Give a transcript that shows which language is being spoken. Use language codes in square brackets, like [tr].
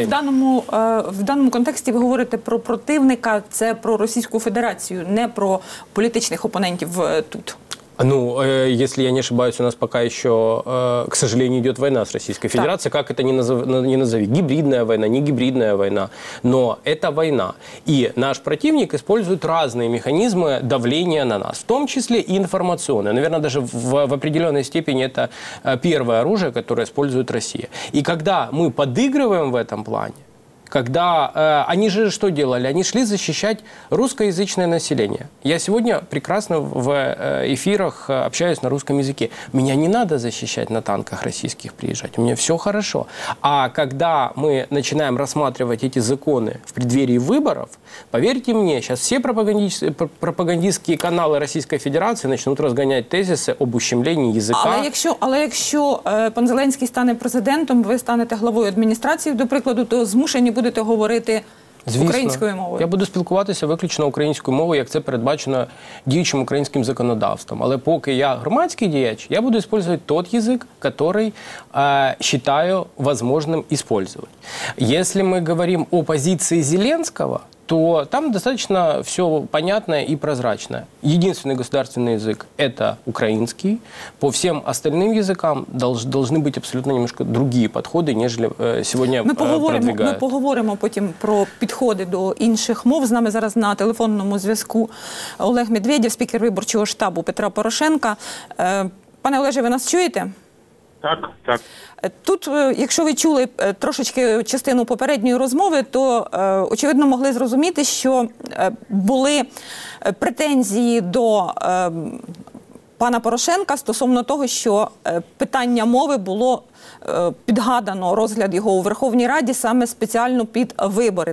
[uk] Ви в даному контексті ви говорите про противника, це про Російську Федерацію, не про політичних опонентів тут. [ru] Ну, если я не ошибаюсь, у нас пока еще, к сожалению, идет война с Российской Федерацией. Как это не назови? Гибридная война, не гибридная война. Но это война. И наш противник использует разные механизмы давления на нас. В том числе и информационные. Наверное, даже в определенной степени это первое оружие, которое использует Россия. И когда мы подыгрываем в этом плане, когда они же что делали? Они шли защищать русскоязычное население. Я сегодня прекрасно в эфирах общаюсь на русском языке. Меня не надо защищать на танках российских приезжать. У меня все хорошо. А когда мы начинаем рассматривать эти законы в преддверии выборов, поверьте мне, сейчас все пропагандистские каналы Российской Федерации начнут разгонять тезисы об ущемлении языка. [uk] Але якщо пан Зеленський стане президентом, ви станете главою адміністрації, до прикладу, то змушені будете говорити українською мовою. Я буду спілкуватися виключно українською мовою, як це передбачено діючим українським законодавством. Але поки я громадський діяч, я буду використовувати той язик, який вважаю можливим використовувати. Якщо ми говоримо о позиції Зеленського, то там [ru] достаточно все понятное и прозрачное. Единственный государственный язык – это украинский. По всем остальным языкам должны быть абсолютно немножко другие подходы, нежели сегодня продвигают. [uk] Ми поговоримо потім про підходи до інших мов. З нами зараз на телефонному зв'язку Олег Медведєв, спікер виборчого штабу Петра Порошенка. Пане Олеже, ви нас чуєте? Так, так. Тут, якщо ви чули трошечки частину попередньої розмови, то, очевидно, могли зрозуміти, що були претензії до пана Порошенка стосовно того, що питання мови було підгадано, розгляд його у Верховній Раді саме спеціально під вибори.